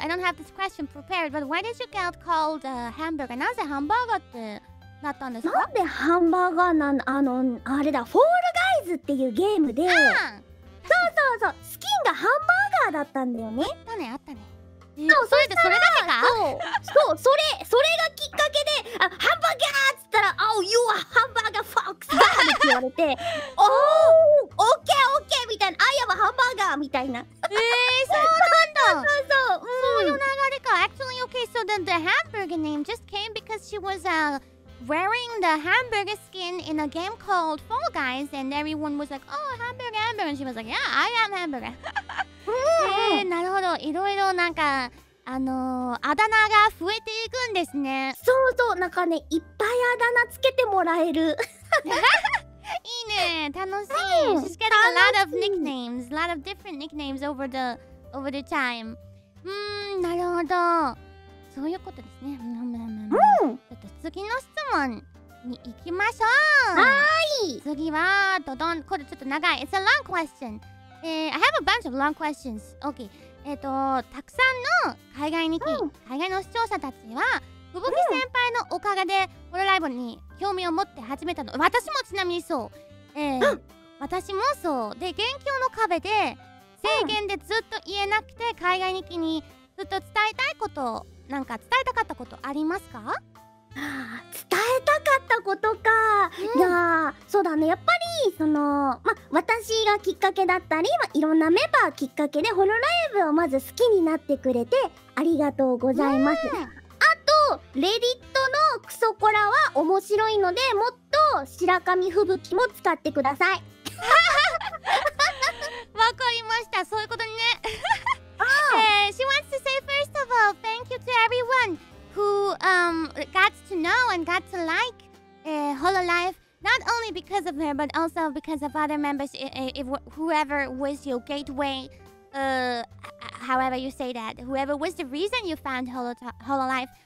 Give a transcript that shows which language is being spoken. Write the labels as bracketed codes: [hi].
[en] I don't have this question prepared, but why did you get called a hamburger? [ja] なぜハンバーガーってなったんですか? なんでハンバーガーなん、あの、あれだ、フォールガイズっていうゲームで、そうそうそう、スキンがハンバーガーだったんだよね。あったね、あったね。それだけか?そう、それがきっかけで、あ、ハンバーガーって言ったら、 [en] Oh, you are hamburger fox! [ja] って言われて、 [en] Oh, okay, okay! [ja] みたいな、 [en] I am a hamburger! [ja] みたいな。そうなんだ。そういう流れか。 [en] Actually, okay, so then the hamburger name just came because she was wearing the hamburger skin in a game called Fall Guys, and everyone was like, Oh, hamburger, hamburger! And she was like, Yeah, I am hamburger! [ja] なるほど、いろいろなんかあだ名が増えていくんですね。そうそう、なんかね、いっぱいあだ名つけてもらえる。いいね。楽しい、うん、 [en] She's getting a lot of nicknames. A lot of different nicknames over the time. [ja] うーん、なるほど。そういうことですね。うん。ちょっと次の質問に行きましょう。はい。次は、どどん、これちょっと長い。 [en] It's a long question. I have a bunch of long questions. Okay. [ja] たくさんの海外に来、うん、海外の視聴者たちは、ふぶき先輩のおかげでホロライブに興味を持って始めたの。私もちなみにそう。私もそう。で、元凶の壁で制限でずっと言えなくて、海外に来にずっと伝えたいこと、なんか伝えたかったことありますか？伝えたかったことか、うん、いやそうだね、やっぱりそのま私がきっかけだったり、ま、いろんなメンバーきっかけでホロライブをまず好きになってくれてありがとうございます、うん、あとレディットのクソコラは面白いので、もっと白髪吹雪も使ってくださいわかりました、そういうことにね、 [en] She wants to say first of all thank you to everyoneWho got to know and got to like Hololive not only because of her but also because of other members, whoever was your gateway, however you say that, whoever was the reason you found Hololive.